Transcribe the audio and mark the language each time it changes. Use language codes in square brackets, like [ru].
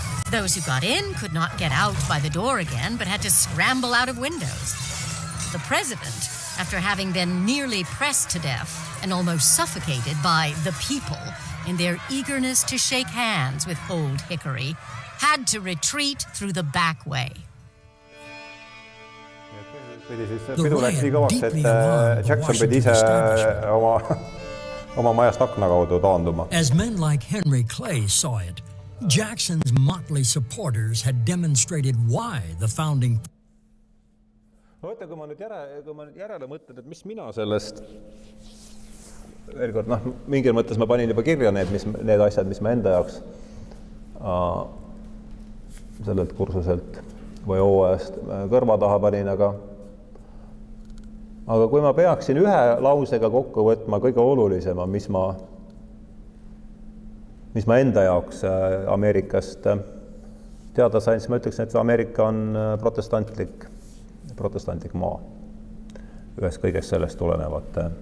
[en] Those who got in could not get out by the door again, but had to scramble out of windows. The president, after having been nearly pressed to death and almost suffocated by the people, in their eagerness to shake hands with Old Hickory, had to retreat through the back way. [et] Pidu läks nii kõvaks, et Jackson pidi ise oma majast akna kaudu taanduma. [en] As men like Henry Clay saw it, Jackson's motley supporters had demonstrated why the founding... [et] Võite, kui ma nüüd järele mõtled, et mis mina sellest... Veelkord, mingil mõttes ma panin juba kirja need asjad, mis ma enda jaoks sellelt kursuselt või OOS-t kõrva taha panin, aga kui ma peaksin ühe lausega kokku võtma kõige olulisema, mis ma enda jaoks Ameerikast teada sain, siis ma ütleksin, et Ameerika on protestantlik maa ühes kõiges sellest tulenevat.